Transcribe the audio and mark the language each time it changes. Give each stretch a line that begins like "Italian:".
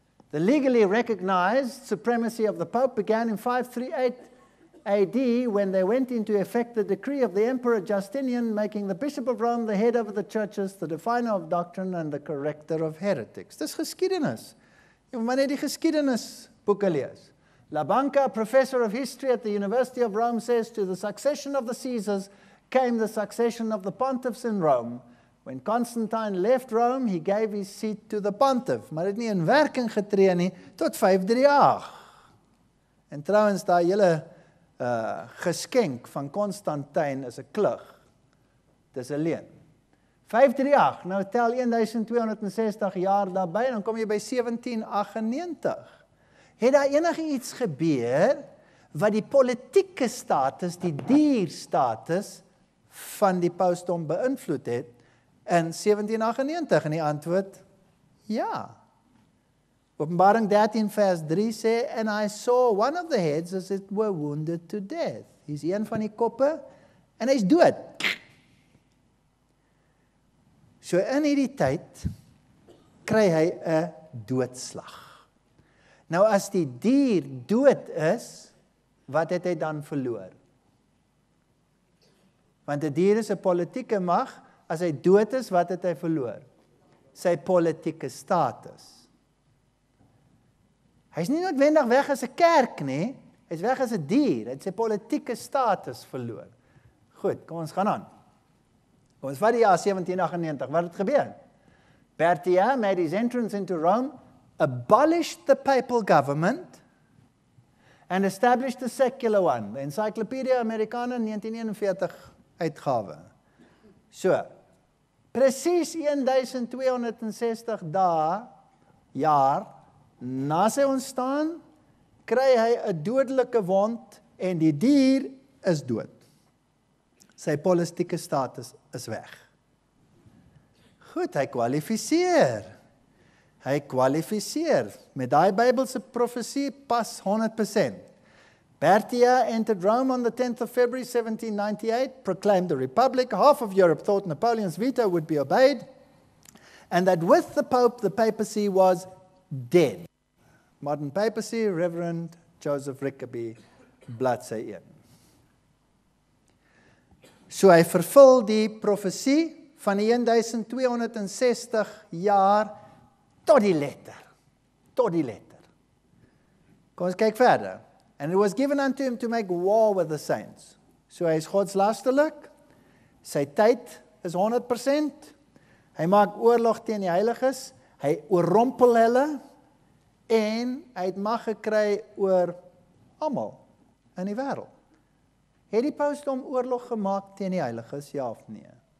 English: The legally recognized supremacy of the Pope began in 538 AD when they went into effect the decree of the Emperor Justinian making the Bishop of Rome the head of the churches, the definer of doctrine and the corrector of heretics.
Afrikaans: Dis geskiedenis. Wanneer die geskiedenis boeke lees.
English: La Banca, professor of history at the University of Rome, says to the succession of the Caesars came the succession of the pontiffs in Rome. When Constantine left Rome, he gave his seat to the pontiff.
Afrikaans: Maar het nie in werking getree nie, tot 538. En trouwens, daar hele geskenk van Constantine is 'n klug. Dis 'n leen. 538, nou tel 1260 jaar daarby, dan kom jy by 1798. Het daar enige iets gebeur, wat die politieke status, die dierstatus, van die pausdom beïnvloed het in 1798 en die antwoord ja. Openbaring 13 vers 3 sê
English: and I saw one of the heads as it were wounded to death.
Afrikaans: Hy's een van die koppe en hy's dood. So in hierdie tyd kry hy 'n doodslag. Nou as die dier dood is, wat het hy dan verloor? Want die dier is 'n politieke mag, as hy dood is, wat het hy verloor? Sy politieke status. Hy is nie noodwendig weg as 'n kerk nie, hy is weg as 'n dier, hy het sy politieke status verloor. Goed, kom ons gaan aan. Kom ons vat die jaar 1798, wat het gebeur?
English: Bertia made his entrance into Rome, abolished the papal government, and established a secular one, the Encyclopedia Americana 1941.
Afrikaans: Uitgawe. So, precies 1260 dae, jaar, na sy ontstaan, kry hy 'n dodelike wond en die dier is dood. Sy politieke status is weg. Goed, hy kwalifiseer. Hy kwalifiseer. Met daai Bybelse profesie pas 100%.
English: Bertia entered Rome on the 10th of February 1798, proclaimed the Republic. Half of Europe thought Napoleon's veto would be obeyed, and that with the Pope, the papacy was dead. Modern papacy, Reverend Joseph Rickaby,
Afrikaans: bladsy 1. So hy vervul die profesie van die 1260 jaar tot die letter. Tot die letter. Kom ons kyk verder.
English: And it was given unto him to make war with the saints.
Afrikaans: So hy is godslasterlik. Sy tyd is 100%. Hy maak oorlog teen die heiliges, hy oorrompel hulle en hy het mag gekry oor almal in die wêreld. Het die paus dom oorlog gemaak teen die heiliges, ja of nee?